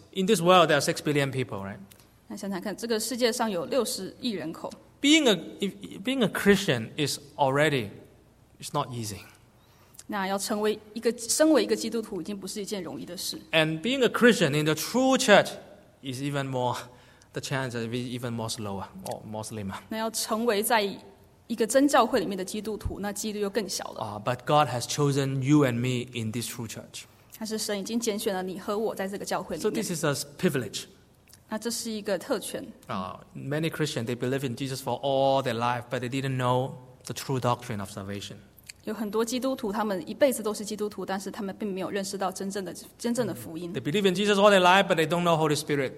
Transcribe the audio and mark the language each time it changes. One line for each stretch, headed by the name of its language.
English: In this world, there are 6 billion people, right?
Chinese: 那想想看，这个世界上有60亿人口。
English: Being a Christian is already, it's not easy.
Chinese: 那要成为一个身为一个基督徒已经不是一件容易的事。
English: And being a Christian in the true church is even more, the chance is even more slower or more slimmer.
Chinese: 那要成为在一个真教会里面的基督徒，那基督又更小了。
English: But God has chosen you and me in this true church.
Chinese: 但是神已经拣选了你和我在这个教会里面。
English: So this is a privilege.
Chinese: 那这是一个特权。
English: Many Christians, they believe in Jesus for all their life, but they didn't know the true doctrine of salvation.
Chinese: 有很多基督徒，他们一辈子都是基督徒，但是他们并没有认识到真正的福音。
English: They believe in Jesus all their life, but they don't know Holy Spirit.